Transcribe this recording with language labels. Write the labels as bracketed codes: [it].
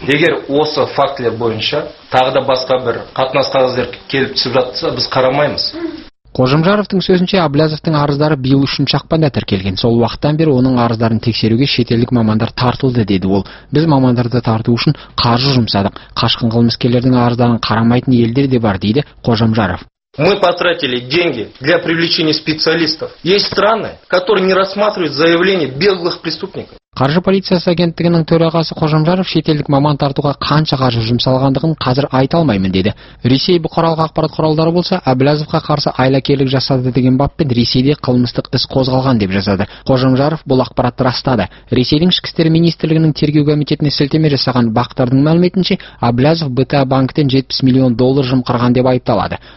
[kk] Егер осы фактілер бойынша тағы да басқа бір қатынас қағаздар келіп түсіп жатса, біз қарамаймыз. Қожамжаровтың сөзінше, Әблязовтың арыздары биыл 3-ші ақпанда тіркелген. Сол уақыттан бері оның арыздарын тексеруге шетелдік мамандар тартылды, деді ол. Біз мамандарды тарту үшін қаржы жұмсадық. Қашқын қылмыскерлердің арыздарын қарамайтын елдер де бар, дейді Қожамжаров. [ru] Мы потратили деньги для привлечения специалистов. Есть страны, которые не рассматривают заявления беглых преступников. [kk] Қаржы полициясы агенттігінің төрағасы Қожамжаров шетелдік маман тартуға қанша қаржы жұмсалғандығын қазір айта алмаймын, деді. Ресей бұқаралық ақпарат құралдары болса, Әблязовқа қарсы айлакерлік жасады деген баппен Ресейде қылмыстық іс қозғалған деп жазады. Қожамжаров бұл ақпаратты растады. Ресейдің ішкі істер министрлігінің тергеу комитетіне сілтеме жасаған бақтардың мәліметінше, Әблязов БТА банктен 70 миллион доллар жымқырған деп айыпталады.